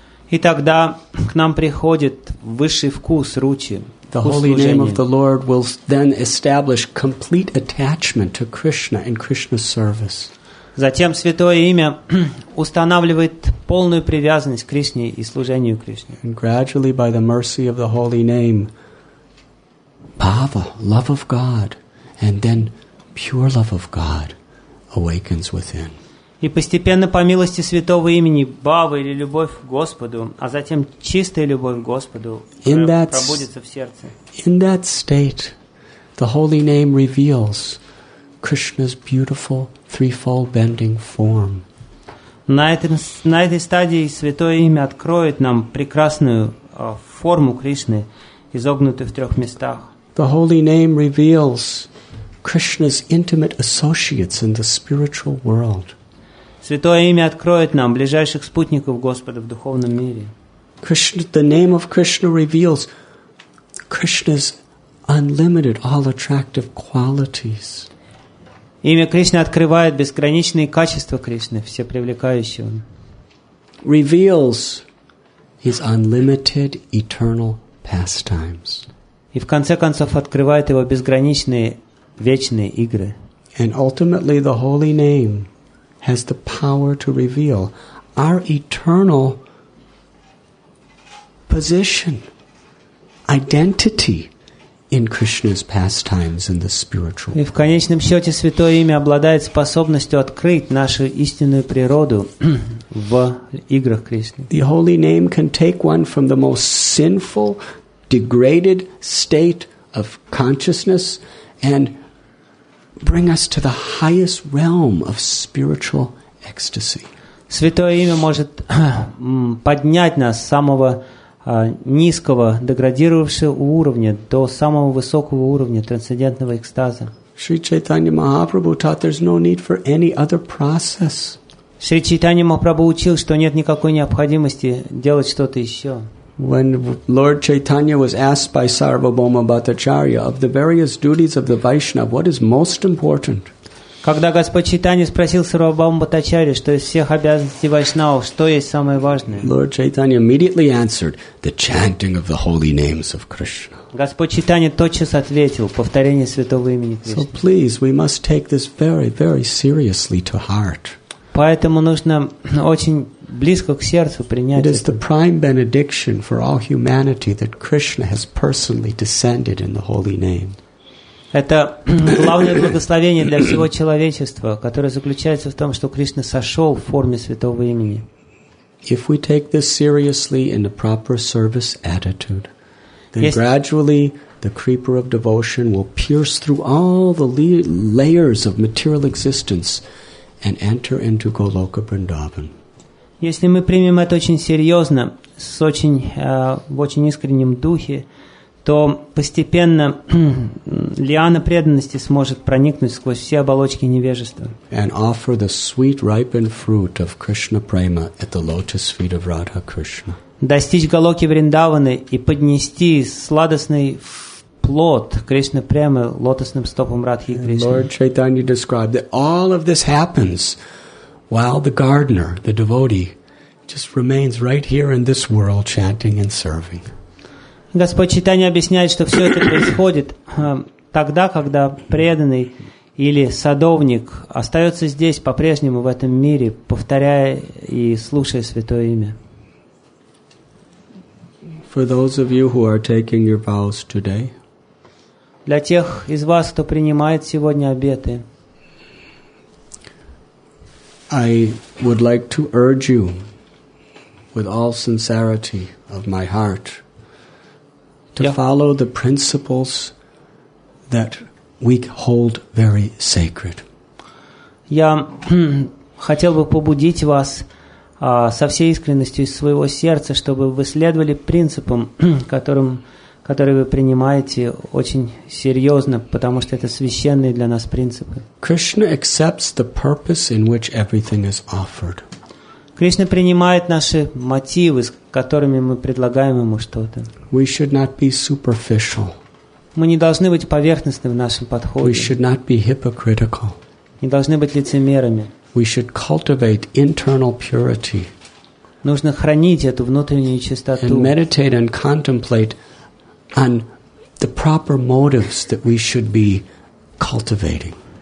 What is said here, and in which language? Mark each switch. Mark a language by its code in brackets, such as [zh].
[ru] И тогда к нам приходит высший вкус ручи, [en] The holy name of the Lord will then establish complete attachment to Krishna and Krishna's service. [ru] Затем Святое Имя устанавливает полную привязанность к Кришне и служению Кришне. [en] And gradually, by the mercy of the holy name, bhava, love of God, and then pure love of God awakens within. [ru] И постепенно по милости Святого Имени бхава или любовь к Господу, а затем чистая любовь к Господу пробудится в сердце. [en] In that state, the holy name reveals Krishna's beautiful threefold bending form. [ru] На этой стадии Святое Имя откроет нам прекрасную форму Кришны, изогнутую в трех местах. [en] The holy name reveals Krishna's intimate associates in the spiritual world. [ru] Святое Имя откроет нам ближайших спутников Господа в духовном мире. [en] Krishna, the name of Krishna reveals Krishna's unlimited, all attractive qualities. [ru] Имя Кришны открывает безграничные качества Кришны, все привлекающие Он. [en] Reveals His unlimited, eternal pastimes. [ru] И в конце концов открывает Его безграничные, вечные игры. [en] And ultimately the holy name has the power to reveal our eternal position, identity in Krishna's pastimes in the spiritual world. [ru] И в конечном счете Святое Имя обладает способностью открыть нашу истинную природу в играх Кришны. [en] The holy name can take one from the most sinful, degraded state of consciousness and bring us to the highest realm of spiritual ecstasy. [ru] Святое Имя может поднять нас с самого низкого, деградировавшего уровня до самого высокого уровня трансцендентного экстаза. [en] Шри Чайтанья Махапрабху taught there's no need for any other process. [ru] Шри Чайтанья Махапрабху учил, что нет никакой необходимости делать что-то еще. [en] When Lord Chaitanya was asked by Sarvabhauma Bhattacharya of the various duties of the Vaishnava, what is most important? [ru] Когда Господь Чайтанья спросил Сарвабхаума Бхаттачарью, что из всех обязанностей вайшнавов, что есть самое важное? [en] Lord Chaitanya immediately answered, the chanting of the holy names of Krishna. [ru] Господь Чайтанья тотчас ответил, повторение святого имени Кришны. [en] So please, we must take this very, very seriously to heart. [ru] Поэтому нужно очень близко к сердцу принять это. [en] It is the prime benediction for all humanity that Krishna has personally descended in the holy name. [ru] Это главное благословение для всего человечества, которое заключается в том, что Кришна сошел в форме святого имени. [en] If we take this seriously in a proper service attitude, then gradually the creeper of devotion will pierce through all the layers of material existence and enter into Goloka Vrindavan. [ru] Если мы примем это очень серьезно, с очень, в очень искреннем духе, то постепенно лиана преданности сможет проникнуть сквозь все оболочки невежества. [en] And offer the sweet ripened fruit of Krishna prema at the lotus feet of Radha Krishna. [ru] Достичь Галоки Вриндаваны и поднести сладостный плод Кришны премы лотосным стопам Радхи Кришны. [en] Lord Chaitanya described that all of this happens while the gardener, the devotee, just remains right here in this world chanting and serving. [ru] Господь Чайтанья объясняет, что все это происходит тогда, когда преданный или садовник остается здесь по-прежнему в этом мире, повторяя и слушая святое имя. [en] For those of you who are taking your vows today, [ru] для тех из вас, кто принимает сегодня обеты, [en] I would like to urge you with all sincerity of my heart to follow the principles that we hold very sacred. [ru] Я хотел бы побудить вас со всей искренностью из своего сердца, чтобы вы следовали принципам, которые вы принимаете очень серьезно, потому что это священные для нас принципы. [en] Krishna accepts the purpose in which everything is offered. [ru] Кришна принимает наши мотивы, с которыми мы предлагаем ему что-то. [en] We should not be superficial. [ru] Мы не должны быть поверхностны в нашем подходе. [en] We should not be hypocritical. [ru] Не должны быть лицемерами. [en] We should cultivate internal purity. [ru] Нужно хранить эту внутреннюю чистоту. [en] And meditate and contemplate on the proper motives that we should be cultivating.